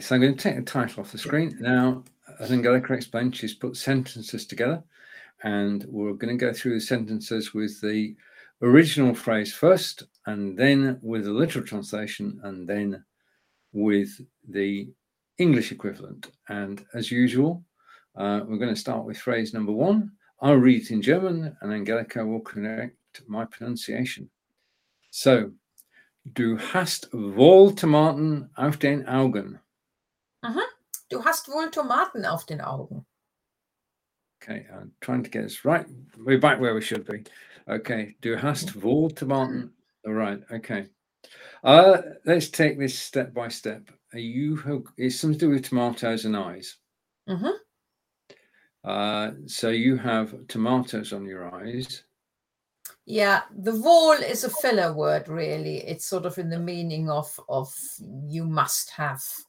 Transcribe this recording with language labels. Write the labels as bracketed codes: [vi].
[en] So I'm going to take the title off the screen. Now, as Angelica explained, she's put sentences together and we're going to go through the sentences with the original phrase first and then with the literal translation and then with the English equivalent. And as usual, we're going to start with phrase number one. I'll read it in German and Angelica will correct my pronunciation. [de] So, Du hast wohl Tomaten auf den Augen. Du hast wohl Tomaten auf den Augen. [en] Okay, I'm trying to get this right. We're back where we should be. [de] Okay, du hast wohl Tomaten. [en] All right, okay. Let's take this step by step. It's something to do with tomatoes and eyes. So you have tomatoes on your eyes. Yeah, the wohl is a filler word, really. It's sort of in the meaning of you must have